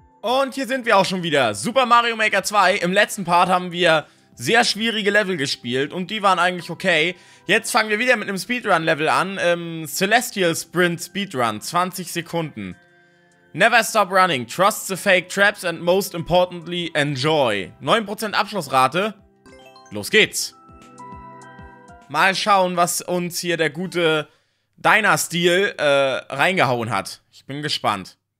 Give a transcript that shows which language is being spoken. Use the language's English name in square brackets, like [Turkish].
[German] Und hier sind wir auch schon wieder, Super Mario Maker 2. Im letzten Part haben wir sehr schwierige Level gespielt und die waren eigentlich okay. Jetzt fangen wir wieder mit einem Speedrun-Level an, Celestial Sprint Speedrun, 20 Sekunden. [English] Never stop running, trust the fake traps and most importantly, enjoy. [German] 9% Abschlussrate, los geht's. Mal schauen, was uns hier der gute Dynastil reingehauen hat. Ich bin gespannt.